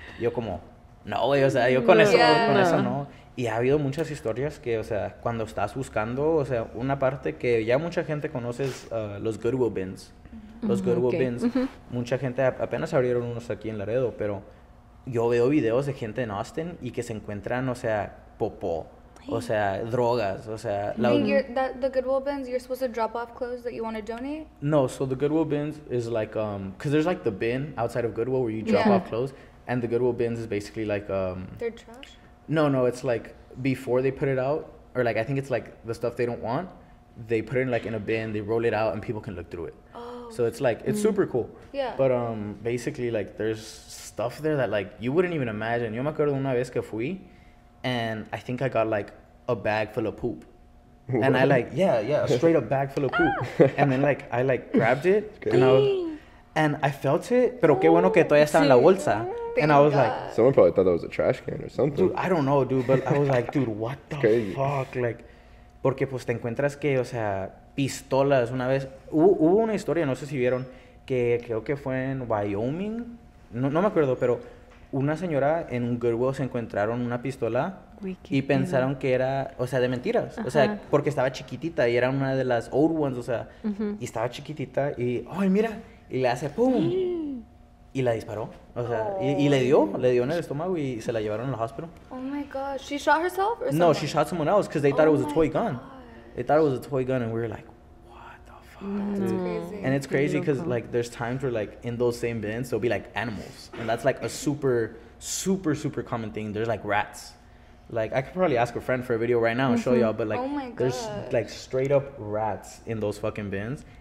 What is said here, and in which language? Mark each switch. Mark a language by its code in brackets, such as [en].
[es] Yo como no, güey, o sea, yo con eso eso no. Y ha habido muchas historias que, o sea, cuando estás buscando, o sea, una parte que ya mucha gente conoce es los Goodwill bins. Los Goodwill bins. Mucha gente apenas abrieron unos aquí en Laredo, pero yo veo videos de gente en Austin y que se encuentran, o sea, popó. O sea, drogas, o sea... [en] The Goodwill bins, you're supposed to drop off clothes that you want to donate? No, so the Goodwill bins is like... Because there's like the bin outside of Goodwill where you drop off clothes. And the Goodwill bins is basically like... They're trash? No, it's like before they put it out. Or like, I think it's like the stuff they don't want. They put it like in a bin, they roll it out, and people can look through it. Oh. So it's like, it's super cool. Yeah. But basically, like, there's stuff there that like, you wouldn't even imagine. Yo me acuerdo una vez que fui... And I think I got like a bag full of poop. What? And I like, yeah, a straight up bag full of poop. And then like, I like grabbed it. And I felt it. [es] Pero qué bueno que todavía estaba en la bolsa. [en] And I was like. Someone probably thought that was a trash can or something. Dude, I don't know, dude. But I was like, dude, what the fuck? [es] Like, porque pues te encuentras que, o sea, pistolas una vez. Hubo una historia, no sé si vieron, que creo que fue en Wyoming. No me acuerdo, pero. Una señora en un Goodwill se encontraron una pistola y pensaron que era, o sea, de mentiras. Ajá. O sea, porque estaba chiquitita y era una de las old ones, o sea, y estaba chiquitita y, ¡ay, mira! Y le hace ¡pum! Mm. Y la disparó. O sea, y le dio en el estómago y se la llevaron al hospital. [en] Oh, my God. ¿She shot herself or something? No, she shot someone else because they thought it was a toy gun. They thought it was a toy gun and we were like, what the fuck, dude? Crazy. And it's crazy because, like, there's times where, like, in those same bins, there'll be, like, animals. And that's, like, a super, super, super common thing. There's, like, rats. Like, I could probably ask a friend for a video right now and show y'all. But, like, there's, like, straight up rats in those fucking bins.